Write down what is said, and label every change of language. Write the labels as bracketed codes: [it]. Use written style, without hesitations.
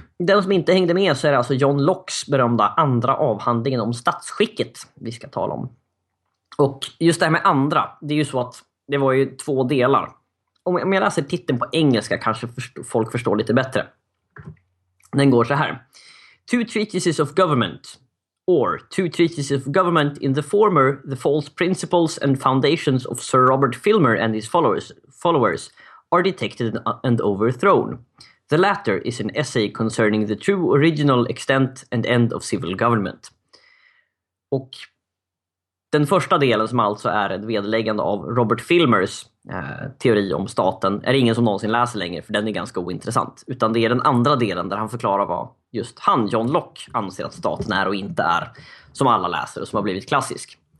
[sv] Den som inte hängde med, så är det alltså John Lockes berömda andra avhandlingen om statsskicket vi ska tala om. Och just det här med andra, det är ju så att det var ju två delar. Om jag läser titeln på engelska kanske folk förstår lite bättre. Den går så här. [en] Two treatises of government, or two treatises of government in the former, the false principles and foundations of Sir Robert Filmer and his followers are detected and overthrown. The latter is an essay concerning the true original extent and end of civil government. [sv] Och den första delen, som alltså är ett vedläggande av Robert Filmers teori om staten, är ingen som någonsin läser längre, för den är ganska ointressant. Utan det är den andra delen där han förklarar vad just han, John Locke, anser att staten är och inte är, som alla läser och som har blivit klassisk.